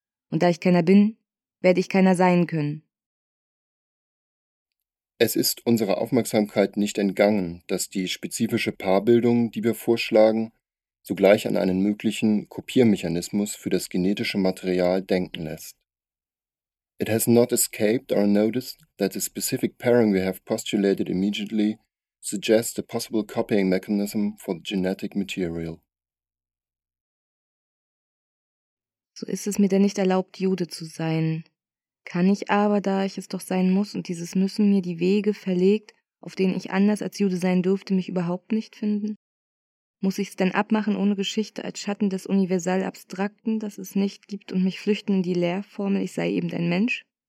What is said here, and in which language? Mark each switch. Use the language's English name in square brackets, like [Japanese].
[German] Und da ich keiner bin, werde ich keiner sein können. Es ist unserer Aufmerksamkeit nicht entgangen, dass die spezifische Paarbildung, die wir vorschlagen, sogleich an einen möglichen Kopiermechanismus für das genetische Material denken lässt. [English] It has not escaped our notice that the specific pairing we have postulated immediately suggests a possible copying mechanism for the genetic material. [German] So ist es mir denn nicht erlaubt, Jude zu sein. Kann ich aber, da ich es doch sein muss und dieses Müssen mir die Wege verlegt, auf denen ich anders als Jude sein dürfte, mich überhaupt nicht finden? Muss ich es denn abmachen ohne Geschichte als Schatten des universal Abstrakten, das es nicht gibt, und mich flüchten in die Lehrformel, ich sei eben ein Mensch?